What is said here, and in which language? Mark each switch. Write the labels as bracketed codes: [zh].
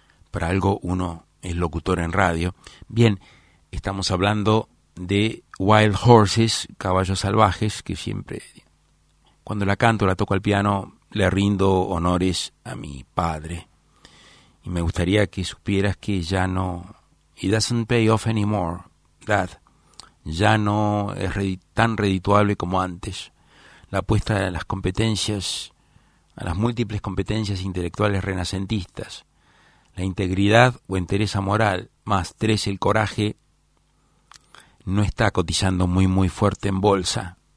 [es] Para algo uno es locutor en radio. Bien, estamos hablando de Wild Horses, caballos salvajes, que siempre cuando la canto, la toco al piano, le rindo honores a mi padre. Y me gustaría que supieras que ya no... [en] It doesn't pay off anymore, Dad. [es] Ya no es tan redituable como antes. La apuesta a las competencias, a las múltiples competencias intelectuales renacentistas, la integridad o entereza moral, más tres el coraje, no está cotizando muy muy fuerte en bolsa.